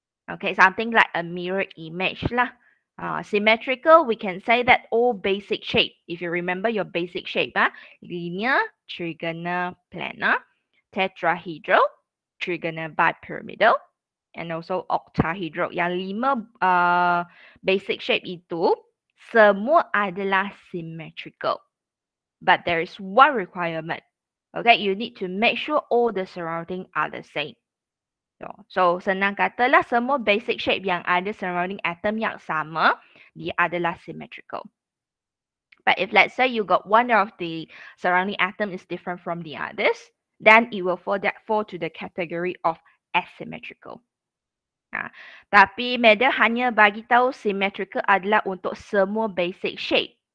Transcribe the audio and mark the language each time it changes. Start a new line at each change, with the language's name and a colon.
English: Okay, something like a mirror image lah. Symmetrical, we can say that all basic shape, if you remember your basic shape, linear, trigonal, planar, tetrahedral, trigonal, bipyramidal, and also octahedral.
Malay: Yang lima basic shape itu, semua adalah symmetrical.
English: But there is one requirement. Okay, you need to make sure all the surrounding are the same.
Malay: So senang katalah semua basic shape yang ada surrounding atom yang sama, dia adalah symmetrical.
English: But if let's say you got one of the surrounding atom is different from the others, then it will fall to the category of asymmetrical.
Malay: Tapi medal hanya bagi tahu symmetrical adalah untuk semua basic shape.